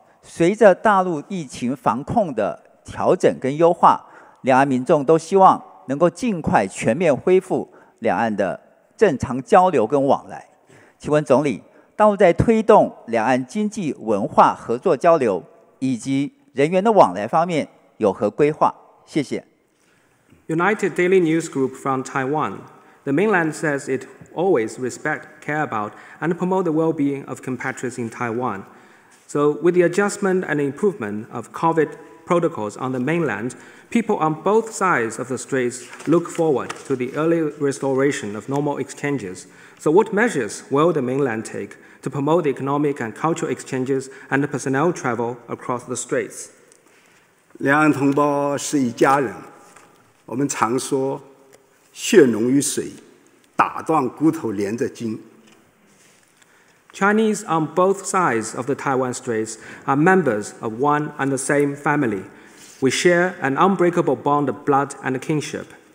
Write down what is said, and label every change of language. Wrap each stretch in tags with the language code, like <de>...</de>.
<zh>随着大陆疫情防控的调整跟优化，两岸民众都希望能够尽快全面恢复两岸的正常交流跟往来。请问总理，大陆在推动两岸经济文化合作交流以及人员的往来方面有何规划？谢谢。</zh> <en>United Daily News Group from Taiwan. The mainland says it always respect, care about, and promote the well-being of compatriots in Taiwan. So with the adjustment and improvement of COVID protocols on the mainland, people on both sides of the straits look forward to the early restoration of normal exchanges. So what measures will the mainland take to promote the economic and cultural exchanges and the personnel travel across the straits?</en> <zh>两岸同胞是一家人，我们常说血浓于水，打断骨头连着筋。</zh> <en>Chinese on both sides of the Taiwan Straits are members of one and the same family. We share an unbreakable bond of blood and kinship.</en>